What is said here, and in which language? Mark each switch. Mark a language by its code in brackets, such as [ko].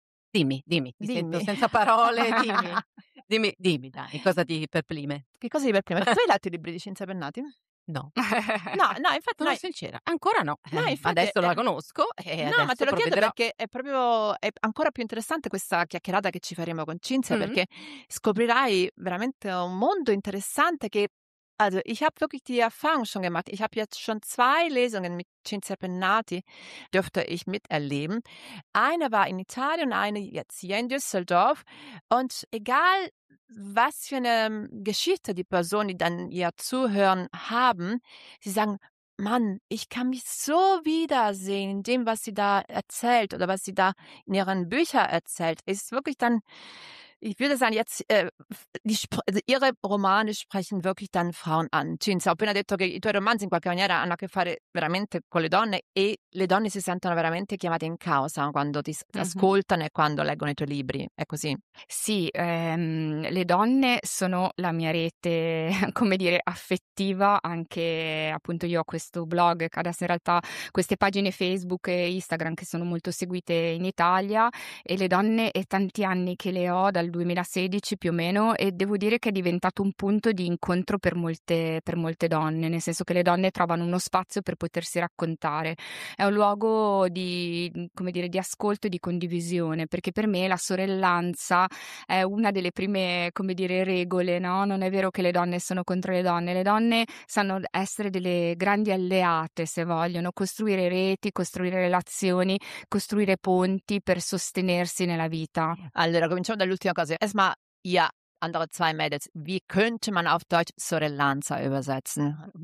[it] Dimmi, mi sento senza parole, dimmi, dai, cosa ti perplime? Che cosa ti perplime? Tu hai letto i libri di Cinzia Pennati? No, infatti sono sincera, ancora no, no infatti, adesso la conosco e no, ma te lo provvederò. Chiedo perché è proprio, è ancora più interessante questa chiacchierata che ci faremo con Cinzia, mm-hmm. Perché scoprirai veramente un mondo interessante che, [de] also ich habe wirklich die Erfahrung schon gemacht, ich habe jetzt schon zwei Lesungen mit Cinzia Pennati durfte ich miterleben. Eine war in Italien und eine jetzt hier in Düsseldorf. Und egal, was für eine Geschichte die Person, die dann ihr zuhören, haben, sie sagen, Mann, ich kann mich so wiedersehen in dem, was sie da erzählt oder was sie da in ihren Büchern erzählt. Es ist wirklich dann, ich würde sagen, jetzt ihre Romane sprechen wirklich dann Frauen an. [it] Cinzia, ho appena detto che i tuoi romanzi in qualche maniera hanno a che fare veramente con le donne e le donne si sentono veramente chiamate in causa quando ti ascoltano e quando leggono i tuoi libri. È così? Sì, le donne sono la mia rete, come dire, affettiva. Anche appunto io ho questo blog, che adesso in realtà queste pagine Facebook e Instagram che sono molto seguite in Italia e le donne è tanti anni che le ho, dal 2016 più o meno, e devo dire che è diventato un punto di incontro per molte donne, nel senso che le donne trovano uno spazio per potersi raccontare. È un luogo di, come dire, di ascolto e di condivisione, perché per me la sorellanza è una delle prime, come dire, regole, no? Non è vero che le donne sono contro le donne sanno essere delle grandi alleate, se vogliono, costruire reti, costruire relazioni, costruire ponti per sostenersi nella vita. Allora, cominciamo dall'ultima cosa. [de] Erstmal, ja, andere zwei Mädels. Wie könnte man auf Deutsch Sorellanza übersetzen?